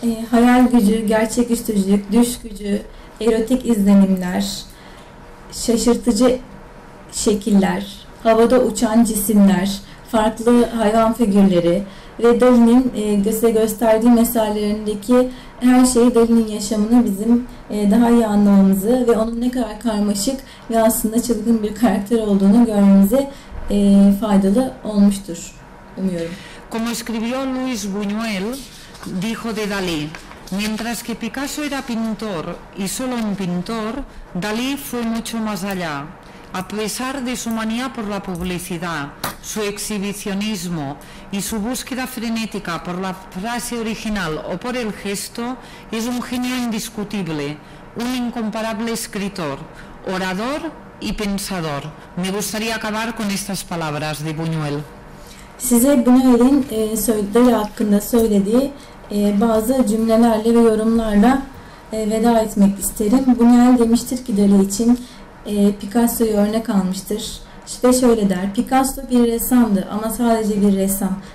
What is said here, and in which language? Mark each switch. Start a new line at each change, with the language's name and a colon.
Turkish: Hayal gücü, gerçeküstücülük, düş gücü, erotik izlenimler, şaşırtıcı şekiller, havada uçan cisimler, farklı hayvan figürleri ve Dalí'nin size gösterdiği eserlerindeki her şey Dalí'nin yaşamını bizim daha iyi anlamamızı ve onun ne kadar karmaşık ve aslında çılgın bir karakter olduğunu görmemize faydalı olmuştur umuyorum.
Spanish: Como escribió Luis Buñuel, dijo de Dalí: Mientras que Picasso era pintor y solo un pintor, Dalí fue mucho más allá. a pesar de su manía por la publicidad, su exhibicionismo y su búsqueda frenética por la frase original o por el gesto, es un genio indiscutible, un incomparable escritor, orador y pensador. Me gustaría acabar con estas palabras de Buñuel.
Turkish: Size Buñuel'in sözleri hakkında söylediği bazı cümlelerle ve yorumlarla veda etmek isterim. Buñuel demiştir ki Dali için Picasso'yu örnek almıştır. İşte şöyle der, Picasso bir ressamdı ama sadece bir ressam.